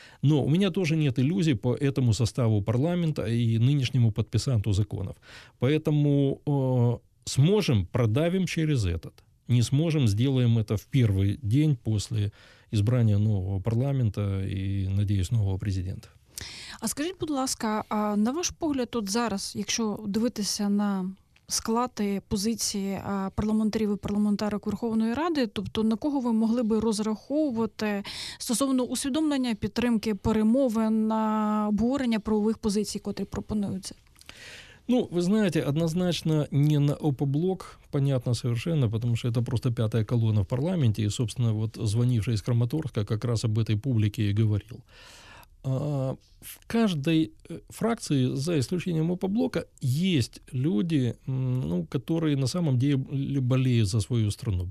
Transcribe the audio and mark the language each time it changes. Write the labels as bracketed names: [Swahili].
[Russian] Но у меня тоже нет иллюзий по этому составу парламента и нынешнему подписанту законов. Поэтому сможем, продавим через этот. Не сможем, сделаем это в первый день после избрания нового парламента и, надеюсь, нового президента. [Ukrainian] А скажіть, будь ласка, на ваш погляд, от зараз, якщо дивитися на склади позиції парламентарів і парламентарок Верховної Ради, тобто на кого ви могли би розраховувати стосовно усвідомлення, підтримки, перемовин, обговорення правових позицій, котрі пропонуються? [Russian] Ну, вы знаете, однозначно не на ОПБлок, понятно совершенно, потому что это просто пятая колонна в парламенте, и, собственно, вот звонивший из Краматорска как раз об этой публике и говорил. В каждой фракции, за исключением ОПБлока, есть люди, ну, которые на самом деле болеют за свою страну.